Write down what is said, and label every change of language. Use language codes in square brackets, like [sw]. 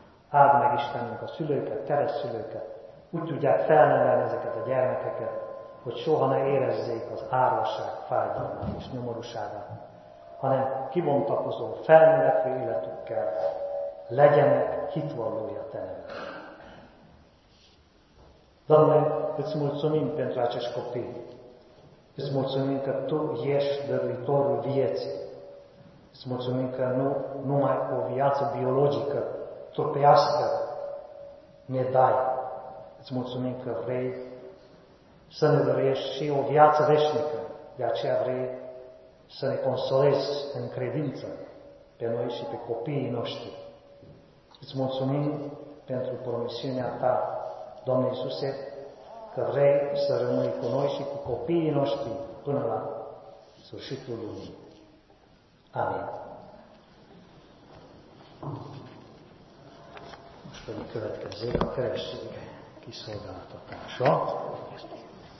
[hu] Áld meg Istenünk a szülőket, keresztszülőket, úgy tudják felnevelni ezeket a gyermekeket, hogy soha ne érezzék az árvaság fájdalmát és nyomorúságát, hanem kibontakozó, felnövekvő életükkel legyenek hitvallója Te nevét. [ro] Dámy, îți mulțumim pentru acești copii. Îți mulțumim că Tu ești dăruitorul vieții. Îți mulțumim că nu numai o viață biologică, trupească ne dai. Îți mulțumim că vrei să ne dăruiești și o viață veșnică. De aceea vrei să ne consolezi în credință pe noi și pe copiii noștri. Îți mulțumim pentru promisiunea Ta, Doamne Iisuse, că vrei să rămâi cu noi și cu copiii noștri până la sfârșitul lumii. Amin. [hu] Most pedig következzék a keresztények kiszolgáltatása.